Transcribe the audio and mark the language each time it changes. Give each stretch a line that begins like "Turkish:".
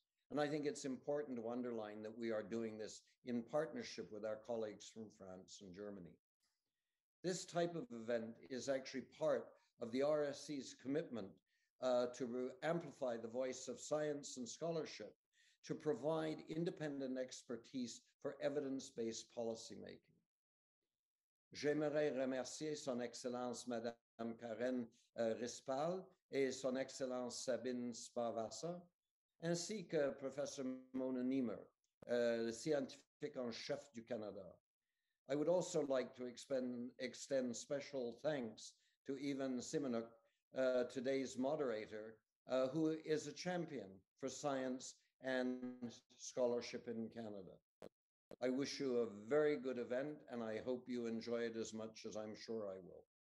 English: And I think it's important to underline that we are doing this in partnership with our colleagues from France and Germany. This type of event is actually part of the RSC's commitment to amplify the voice of science and scholarship, to provide independent expertise for evidence-based policymaking.
French: J'aimerais remercier Son Excellence Madame Karen Rispal et Son Excellence Sabine Spavassa, ainsi que Professor Mona Niemer, le scientifique en chef du Canada.
English: I would also like to extend special thanks to Ivan Semeniuk, today's moderator, who is a champion for science and scholarship in Canada. I wish you a very good event, and I hope you enjoy it as much as I'm sure I will.